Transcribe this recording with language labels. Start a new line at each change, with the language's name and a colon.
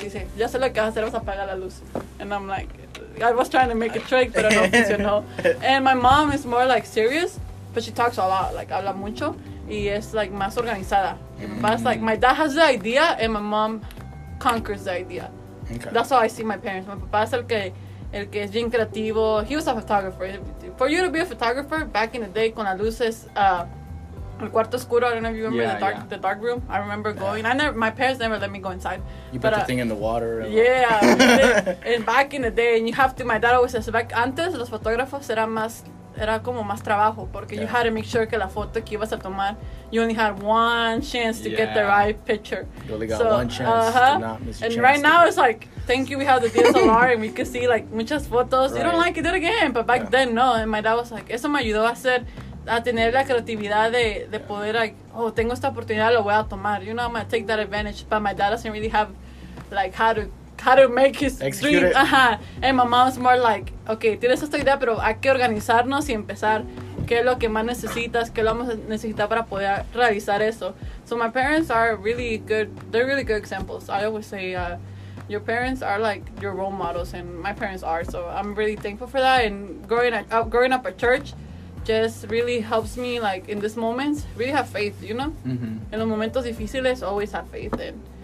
Spanish: Y dice, ya sé lo que vas a hacer, vas a apagar la luz.
English: And I'm like, I was trying to make a trick,
Spanish: pero no funcionó.
English: And my mom is more, like, serious, but she talks a lot, like,
Spanish: habla mucho, y es,
English: like,
Spanish: más organizada.
English: Mm-hmm. But it's like, my dad has the idea, and my mom conquers the idea. Okay. That's how I see my parents.
Spanish: My papa es el que es bien creativo.
English: He was a photographer. For you to be a photographer back in the day
Spanish: con las luces, el cuarto oscuro,
English: I don't know if you remember the dark room. I remember going. Yeah. My parents never let me go inside. You put the thing in the water. And and back in the day, and you have to, my dad always says, back
Spanish: antes los fotógrafos eran más, era como más trabajo porque
English: you had to make sure
Spanish: que la foto que ibas a tomar,
English: you only had one chance to get the right picture. You only got one chance. Uh-huh. Not miss and chance right now it's like, thank you, we have the DSLR and we can see like
Spanish: muchas fotos.
English: Right. You don't like it, do it again. But back then, no. And my dad was like,
Spanish: eso me ayudó a hacer, a tener la creatividad de poder,
English: like, oh,
Spanish: tengo esta oportunidad, lo voy a tomar.
English: You know, I'm going to take that advantage. But my dad doesn't really have, like, how to make his execute dream. It.
Spanish: Uh-huh.
English: And my mom's more like, okay,
Spanish: tienes esta idea, pero hay que organizarnos y empezar. ¿Qué es lo que más necesitas? ¿Qué lo vamos a necesitar para poder realizar eso?
English: So my parents are really good. They're really good examples. I always say, your parents are like your role models, and my parents are. So I'm really thankful for that. And growing up at church just really helps me, like, in this moment, really have faith, you know? Mm-hmm.
Spanish: En los momentos difíciles,
English: always have faith in.